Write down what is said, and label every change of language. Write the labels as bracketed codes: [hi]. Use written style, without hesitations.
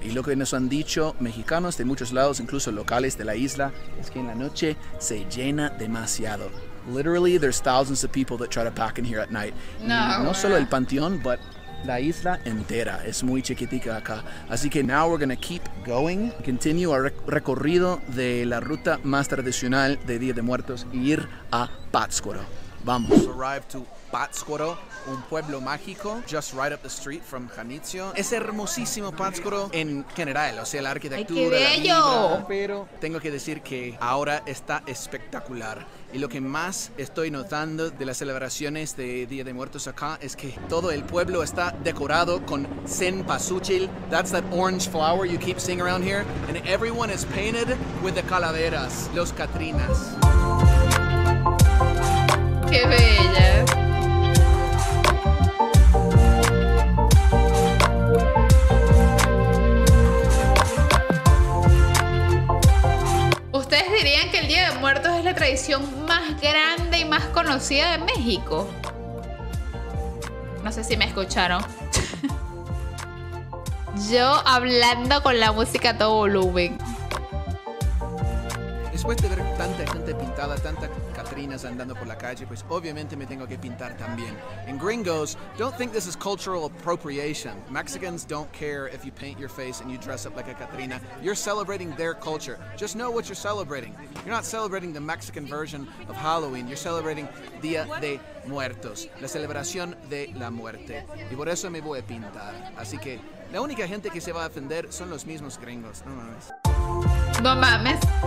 [es] Y lo que nos han dicho mexicanos de muchos lados, incluso locales de la isla, es que en la noche se llena demasiado. [en] Literally, there's thousands of people that try to pack in here at night. [es] No solo el panteón, [en] but [es] la isla entera. Es muy chiquitica acá. Así que [en] now we're going to keep going, continue our [es] recorrido de la ruta más tradicional de Día de Muertos y ir a Pátzcuaro. Vamos. [en] Arrived to Pátzcuaro, [es] un pueblo mágico, [en] just right up the street from Janitzio. [es] Es hermosísimo Pátzcuaro en general, o sea, la arquitectura, ¡ay, qué bello! La vida, pero tengo que decir que ahora está espectacular. Y lo que más estoy notando de las celebraciones de Día de Muertos acá es que todo el pueblo está decorado con cempasúchil. [en] That's that orange flower you keep seeing around here. And everyone is painted with the calaveras, [es] los catrinas. [en] ¡Qué bella! [es] ¿Ustedes dirían que el Día de Muertos es la tradición más grande y más conocida de México? No sé si me escucharon. Yo hablando con la música a todo volumen. Después de ver tanta gente pintada, tantas catrinas andando por la calle, pues obviamente me tengo que pintar también. [en] And gringos, don't think this is cultural appropriation. Mexicans don't care if you paint your face and you dress up like a catrina. You're celebrating their culture. Just know what you're celebrating. You're not celebrating the Mexican version of Halloween. You're celebrating [es] Día de Muertos, la celebración de la muerte. Y por eso me voy a pintar. Así que la única gente que se va a ofender son los mismos gringos. No mames. No mames.